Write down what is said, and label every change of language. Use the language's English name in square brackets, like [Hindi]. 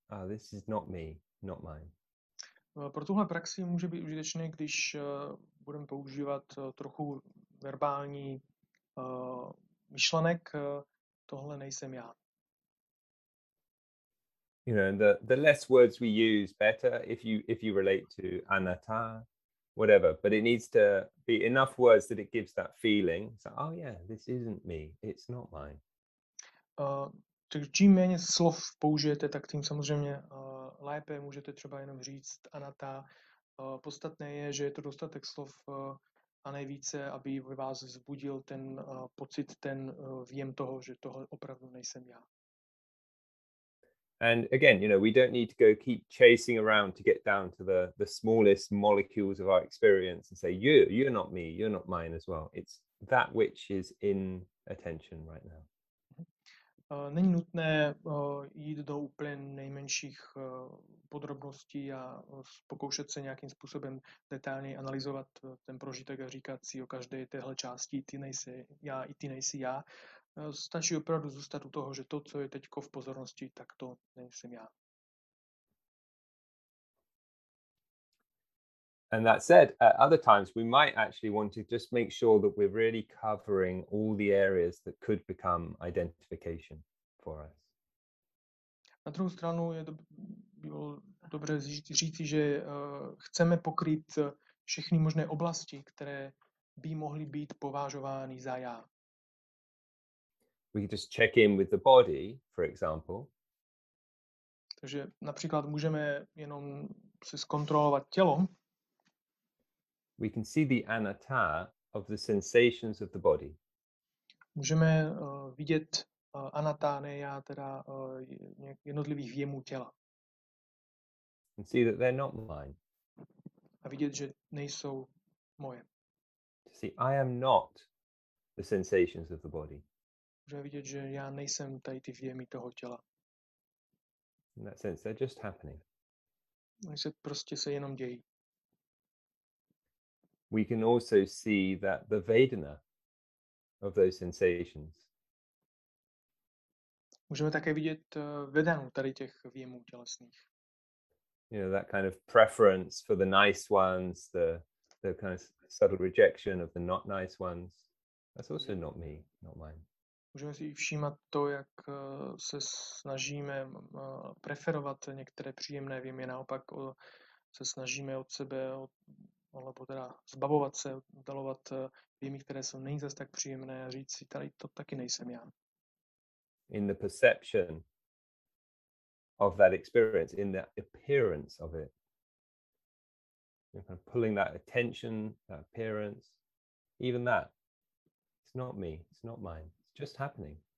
[English] Oh, this is not me, not mine. [Czech] Pro tuhle praxi může být užitečné, když budeme používat trochu verbální myšlenek, tohle nejsem já. [English] You know, the less words we use, better, if you relate to anatta, whatever. But it needs to be enough words that it gives that feeling. So, oh yeah, this isn't me, it's not mine. [Czech] Tak čím méně slov použijete, tak tím samozřejmě lépe můžete třeba jenom říct anatta. Podstatné je, že je to dostatek slov a nejvíce, aby vás vzbudil ten pocit, ten vjem toho, že toho opravdu nejsem já. [English] And again, you know, we don't need to go keep chasing around to get down to the smallest molecules of our experience and say, you're not me, you're not mine as well. It's that which is in attention right now. [Czech] Není nutné jít do úplně nejmenších podrobností a pokoušet se nějakým způsobem detailně analyzovat ten prožitek a říkat si o každé téhle části, ty nejsi já i ty nejsi já. Stačí opravdu zůstat u toho, že to, co je teďko v pozornosti, tak to nejsem já. [English] And that said, at other times we might actually want to just make sure that we're really covering all the areas that could become identification for us. [Czech] Na druhou stranu je bylo dobré říci, že chceme pokrýt všechny možné oblasti, které by mohly být považovány za já. [English] We could just check in with the body, for example. [Czech] Takže například můžeme jenom se zkontrolovat tělo. [English] We can see the anatta of the sensations of the body. [Czech] Můžeme vidět anatta, ne já, teda jednotlivých vjemů těla. [English] And see that they're not mine. [Czech] A vidět, že nejsou moje. [English] To see, I am not the sensations of the body. [Czech] Můžeme vidět, že já nejsem tady ty vjemy toho těla. [English] In that sense, they're just happening. [Czech] Oni se prostě se jenom dějí. [English] We can also see that the vedana of those sensations. [Czech] Můžeme také vidět vedanu tady těch vjemů tělesných. [English] You know, that kind of preference for the nice ones, the kind of subtle rejection of the not nice ones. That's also not me, not mine. [Czech] Můžeme si všímat to, jak se snažíme preferovat některé příjemné vjemy, naopak se snažíme od sebe alebo teda zbavovat se, dalovat vjemy, které jsou není zase tak příjemné, a říct si, tady to taky nejsem já. [English] In the perception of that experience, in the appearance of it. You're kind of pulling that attention, that appearance, even that. It's not me, it's not mine, it's just happening.